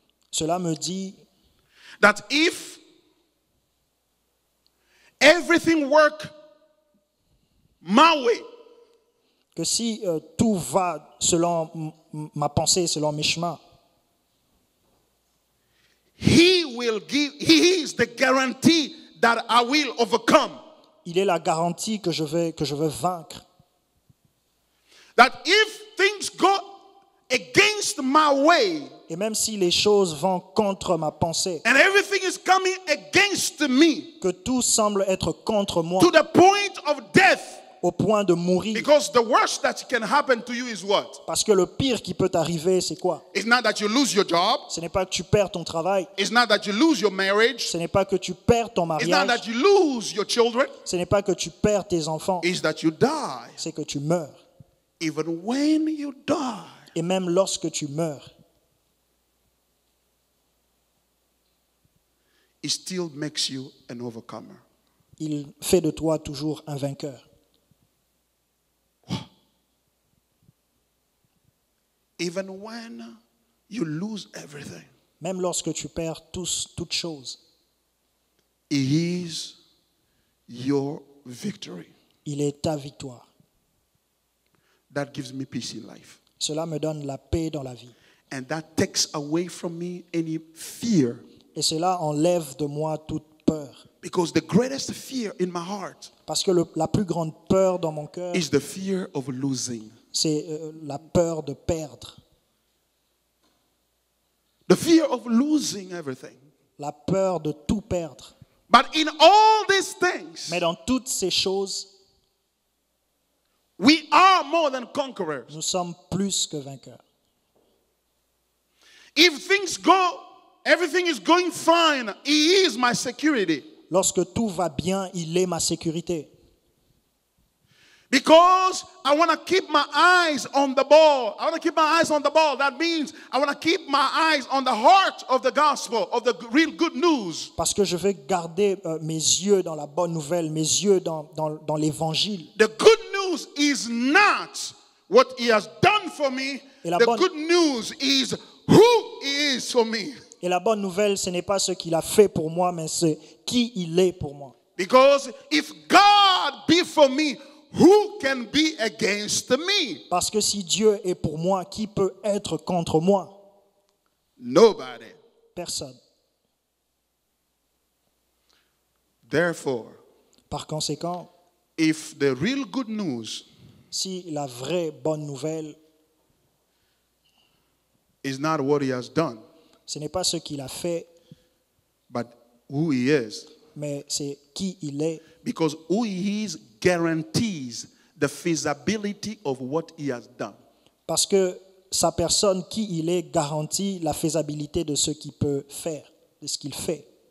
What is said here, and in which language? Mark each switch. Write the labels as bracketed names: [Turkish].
[French] cela me dit, [English] that if everything work my way, [French] que si tout va selon ma pensée, selon mes chemins, [English] he will give, he is the guarantee that I will overcome. [French] Il est la garantie que je vais vaincre. [English] That if things go against my way, [French] et même si les choses vont contre ma pensée, [English] and everything is coming against me, [French] que tout semble être contre moi, [English] to the point of death, [French] au point de mourir. [English] Because the worst that can happen to you is what? [French] Parce que le pire qui peut t'arriver, c'est quoi? [English] It's not that you lose your job. [French] Ce n'est pas que tu perds ton travail. [English] It's not that you lose your marriage. [French] Ce n'est pas que tu perds ton mariage. [English] It's not that you lose your children. [French] Ce n'est pas que tu perds tes enfants. [English] It's that you die. [French] C'est que tu meurs. [English] Even when you die. [French] Et même lorsque tu meurs, [English] it still makes you an overcomer. [French] Il fait de toi toujours un vainqueur. [English] Even when you lose everything, [French] même lorsque tu perds toute chose, [English] he is your victory. [French] Il est ta victoire. [English] That gives me peace in life. [French] Cela me donne la paix dans la vie. [English] And that takes away from me any fear. [French] Et cela enlève de moi toute peur. [English] Because the greatest fear in my heart, [French] parce que la plus grande peur dans mon cœur, [English] is the fear of losing. [French] C'est la peur de perdre. [English] The fear of losing everything. [French] La peur de tout perdre. [English] But in all these things, [French] mais dans toutes ces choses, [English] We are more than conquerors. [French] Nous sommes plus que vainqueurs. [English] If things go, everything is going fine, he is my security. [French] Lorsque tout va bien, il est ma sécurité. [English] Because I want to keep my eyes on the ball. I want to keep my eyes on the ball. That means I want to keep my eyes on the heart of the gospel, of the real good news. [French] Parce que je veux garder mes yeux dans la bonne nouvelle, mes yeux dans l'évangile. [English] The good news is not what he has done for me. Good news is who he is for me. [French] Et la bonne nouvelle, ce n'est pas ce qu'il a fait pour moi, mais c'est qui il est pour moi. [English] Because if God be for me, who can be against me? [French] Parce que si Dieu est pour moi, qui peut être contre moi? [English] Nobody. [French] Personne. [English] Therefore, [French] par conséquent, [English] if the real good news, [French] si la vraie bonne nouvelle, [English] is not what he has done, [French] ce n'est pas ce qu'il a fait, [English] but who he is, [French] mais c'est qui il est. [English] Because who he is guarantees the feasibility of what he has done. [French] Parce que sa personne, qui il est, garantit la faisabilité de ce qu'il peut faire, de ce qu'il fait.